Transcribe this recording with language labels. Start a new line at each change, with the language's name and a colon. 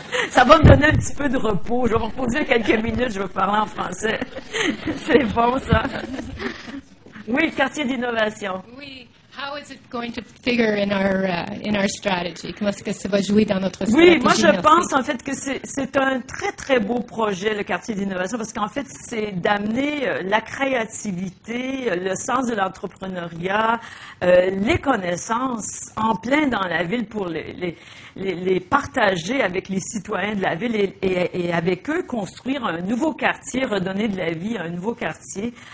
French: Ça va me donner un petit peu de repos. Je vais me reposer quelques minutes, je vais parler en français. C'est bon, ça. Oui, quartier d'innovation. Oui.
English: How is it going to figure in our strategy?
French: Comment est-ce que ça va jouer dans notre stratégie? Oui, moi je pense en fait que c'est un très très beau projet, le quartier d'innovation, parce qu'en fait c'est d'amener la créativité, le sens de l'entrepreneuriat, les connaissances en plein dans la ville pour les partager avec les citoyens de la ville et avec eux construire un nouveau quartier, redonner de la vie à un nouveau quartier.